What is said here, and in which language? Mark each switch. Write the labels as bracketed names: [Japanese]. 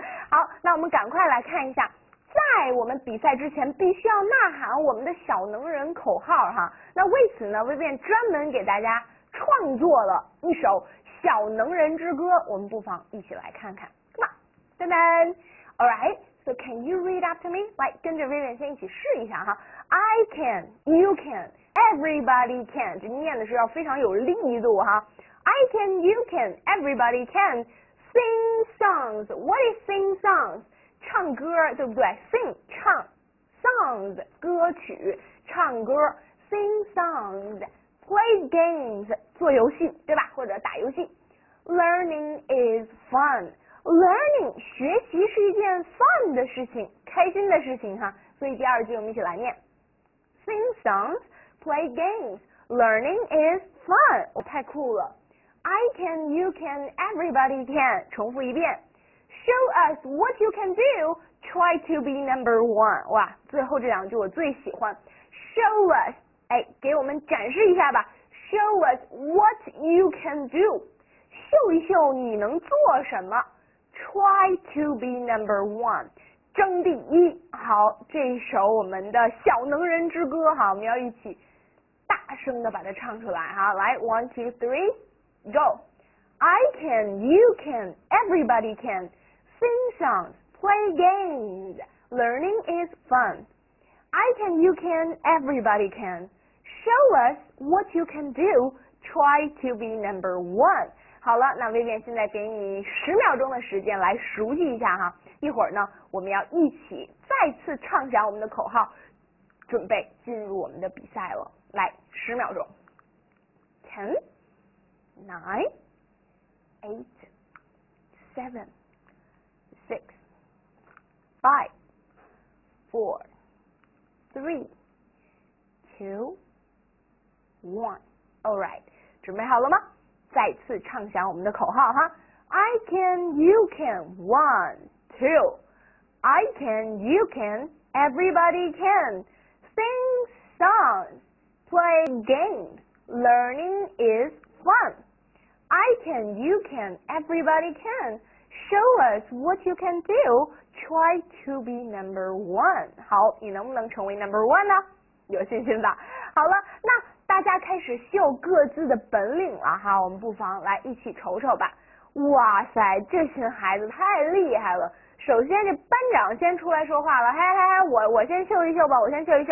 [Chinese] 好，那我们赶快来看一下，在我们比赛之前必须要呐喊我们的小能人口号哈。那为此呢，薇薇专门给大家创作了一首小能人之歌，我们不妨一起来看看。 [English] Come on， 噔噔。Alright， so can you read after me？ [Chinese] 来，跟着薇薇先一起试一下哈。 [English] I can， you can， everybody can， [Chinese] 这念的是要非常有力度哈。 [English] I can， you can， everybody can， sing songs。 What is sing songs？ [Chinese] 唱歌，对不对？ [English] Sing 唱， songs 歌曲，唱歌， sing songs， play games [Chinese] 做游戏，对吧？或者打游戏。 [English] Learning is fun， [Chinese] learning 学习是一件 fun 的事情，开心的事情哈。所以第二句我们一起来念， [English] sing songs， play games， learning is fun。 [Chinese] 我太酷了。 [English] I can， you can， everybody can， [Chinese] 重复一遍。 [English] Show us what you can do. Try to be number one. [Chinese] 哇，最后这两句我最喜欢。 [English] Show us， [Chinese] 哎，给我们展示一下吧。 [English] Show us what you can do. [Chinese] 秀一秀你能做什么。 [English] Try to be number one. [Chinese] 争第一。好，这首我们的小能人之歌哈，我们要一起大声的把它唱出来哈。 [English] 来 ，one, two, three, go. I can, you can, everybody can. Sing songs, play games, learning is fun. I can, you can, everybody can. Show us what you can do, try to be number one. [Chinese] 好了，那薇薇现在给你十秒钟的时间来熟悉一下哈。一会儿呢，我们要一起再次唱响我们的口号，准备进入我们的比赛了。来，十秒钟。 [English] 10, 9, 8, 7,Six, five, four, three, two, one. All right, [Chinese] 准备好了吗？再次唱响我们的口号哈。 [English] I can, you can, one, two. I can, you can, everybody can. Sing songs, play games, learning is fun. I can, you can, everybody can. Show us what you can do. Try to be number one. [Chinese] 好，你能不能成为 number one 呢？有信心吧。好了，那大家开始秀各自的本领了哈。我们不妨来一起瞅瞅吧。哇塞，这群孩子太厉害了。首先这班长先出来说话了，嘿嘿，我先秀一秀吧，我先秀一秀。